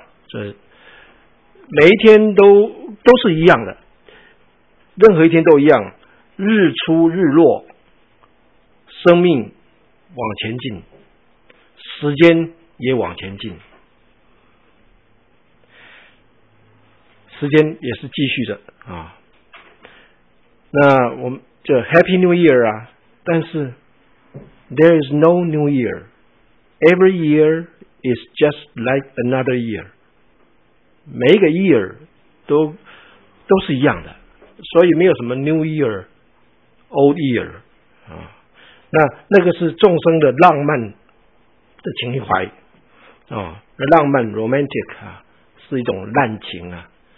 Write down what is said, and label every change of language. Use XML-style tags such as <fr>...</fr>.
<zh>所以每一天都是一样的，任何一天都一样，日出日落，生命往前进，时间也往前进，时间也是继续的啊。</zh> <en>那我们就 Happy New Year 啊，但是 There is no New Year. Every year is just like another year.</en> <zh>每一个 year 都是一样的，所以没有什么 New Year, Old Year 啊。那个是众生的浪漫的情怀啊，浪漫 Romantic 啊，是一种滥情啊。</zh>